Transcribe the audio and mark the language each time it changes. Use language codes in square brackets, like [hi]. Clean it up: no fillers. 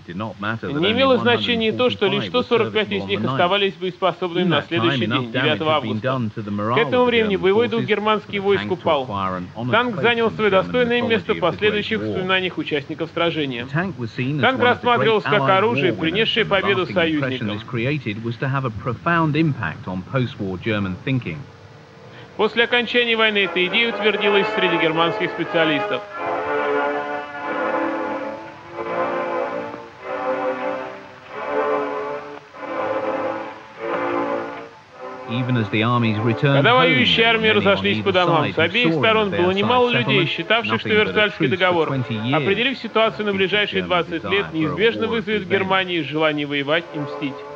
[ru] Не имело значения то, что лишь 145 из них оставались боеспособными на следующий день, 9 августа. К этому времени боевой дух германских войск упал. Танк занял свое достойное место в последующих воспоминаниях участников сражения. Танк рассматривался как оружие, принесшее победу союзникам. [en] Was to have a profound impact on post-war German thinking. [ru] После окончания войны эта идея утвердилась среди германских специалистов. Когда воюющие армии разошлись по домам, с обеих сторон было немало людей, считавших, что Версальский договор, определив ситуацию на ближайшие 20 лет, неизбежно вызовет в Германии желание воевать и мстить.